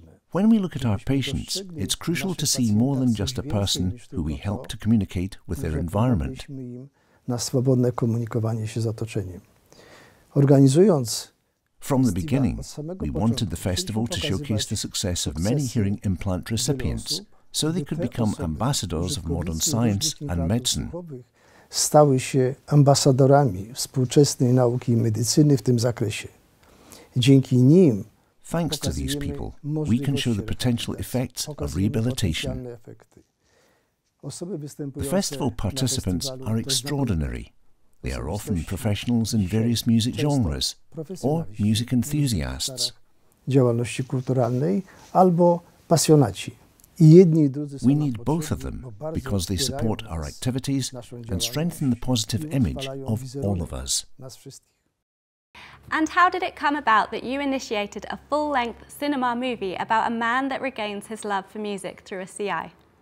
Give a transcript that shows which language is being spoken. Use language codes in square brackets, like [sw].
[en] When we look at our patients, it's crucial to see more than just a person who we help to communicate with their environment. From the beginning, we wanted the festival to showcase the success of many hearing implant recipients, so they could become ambassadors of modern science and medicine. [pl] Stały się ambasadorami współczesnej nauki I medycyny w tym zakresie. Dzięki nim, [en] thanks to these people, we can show the potential effects of rehabilitation. The festival participants are extraordinary. They are often professionals in various music genres or music enthusiasts. [pl] Działalności kulturalnej albo pasjonaci. [en] We need both of them because they support our activities and strengthen the positive image of all of us. And how did it come about that you initiated a full-length cinema movie about a man that regains his love for music through a CI?